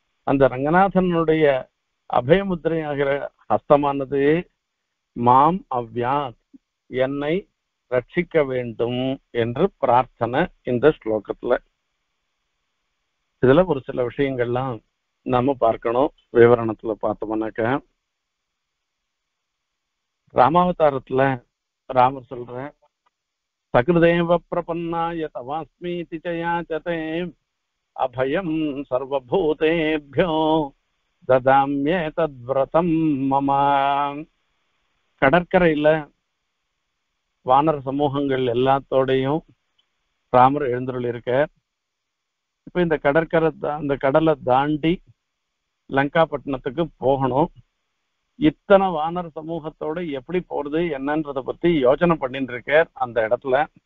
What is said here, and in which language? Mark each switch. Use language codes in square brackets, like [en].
[ta] அந்த ரங்கநாதனுடைய அபய முத்திரையாகிற ஹஸ்தமானது [sa] மாம் அவ்யாத், [ta] என்னை ரட்சிக்க வேண்டும் என்று பிரார்த்தனை இந்த ஸ்லோகத்துல. இதுல ஒரு சில விஷயங்கள்லாம் நாம பார்க்கணும். விவரணத்துல பார்த்தோம்னாக்க ராமாவதாரத்துல ராமர் சொல்ற, [sa] सकृदेव प्रपन्नायतमस्मीति च याचते अभयम् सर्वभूतेभ्यो ददाम्येतद्व्रतम् मम. [ta] கடற்கரையில் வானர சமூகங்கள் எல்லாத்தோடையும் ராமர் எழுந்துள்ளிருக்க, இப்போ இந்த கடற்கரை அந்த கடலை தாண்டி லங்காபட்டினத்துக்கு போகணும். இத்தனை வானர சமூகத்தோடு எப்படி போகிறது என்னன்றதை பற்றி யோசனை பண்ணிட்டுருக்கார் அந்த இடத்துல.